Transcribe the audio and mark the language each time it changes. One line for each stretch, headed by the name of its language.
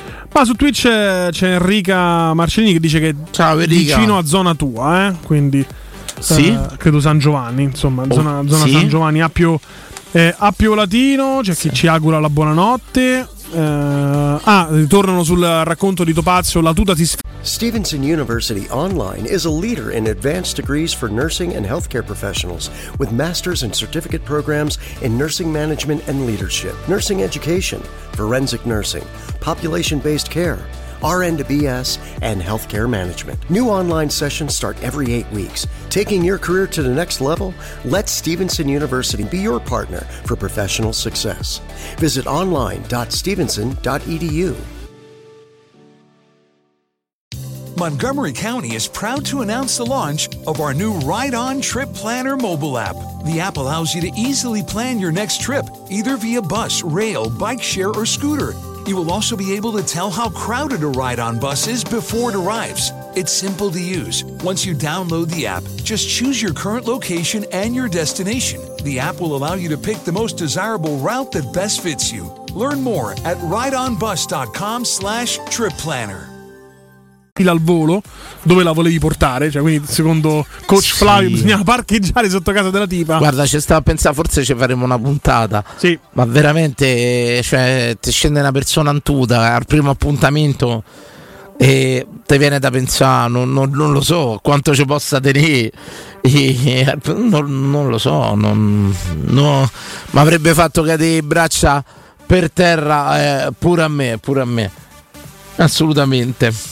Italian: Ma su Twitch c'è Enrica Marcellini che dice che ciao, è vicino a zona tua, quindi sì? Credo San Giovanni, insomma, zona sì? San Giovanni, Appio Latino, c'è chi ci augura la buonanotte. Ritornano sul racconto di Topazio, la tuta ti
English: Stevenson University Online is a leader in advanced degrees for nursing and healthcare professionals with master's and certificate programs in nursing management and leadership, nursing education, forensic nursing, population-based care, RN to BS, and healthcare management. New online sessions start every 8 weeks. Taking your career to the next level? Let Stevenson University be your partner for professional success. Visit online.stevenson.edu. Montgomery County is proud to announce the launch of our new Ride On Trip Planner mobile app. The app allows you to easily plan your next trip, either via bus, rail, bike share, or scooter. You will also be able to tell how crowded a ride on bus is before it arrives. It's simple to use. Once you download the app, just choose your current location and your destination. The app will allow you to pick the most desirable route that best fits you. Learn more at rideonbus.com/tripplanner.
Italian: Al volo dove la volevi portare, cioè, quindi secondo coach Flavio bisognava parcheggiare sotto casa della tipa. Guarda, ci stavo a pensare, forse ci faremo una puntata, sì. Ma veramente, cioè, ti scende una persona antuta al primo appuntamento e ti viene da pensare non lo so quanto ci possa tenere, non lo so, non mi avrebbe fatto cadere braccia per terra, pure a me assolutamente.